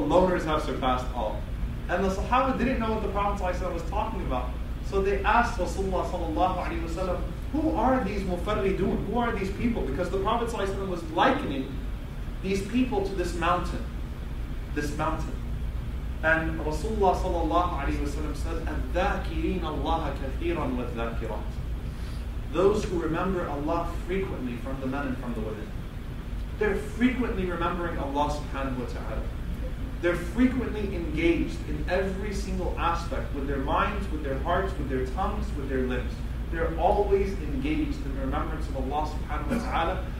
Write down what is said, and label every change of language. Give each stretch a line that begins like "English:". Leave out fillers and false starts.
English: The loners have surpassed all. And the Sahaba didn't know what the Prophet ﷺ was talking about. So they asked Rasulullah ﷺ, who are these mufarridun? Who are these people? Because the Prophet ﷺ was likening these people to this mountain. This mountain. And Rasulullah ﷺ said,
Arabic: الذاكرين الله كثيرا والذاكرات.
English: Those who remember Allah frequently from the men and from the women. They're frequently remembering Allah subhanahu wa ta'ala. They're frequently engaged in every single aspect with their minds, with their hearts, with their tongues, with their lips. They're always engaged in the remembrance of Allah subhanahu wa ta'ala.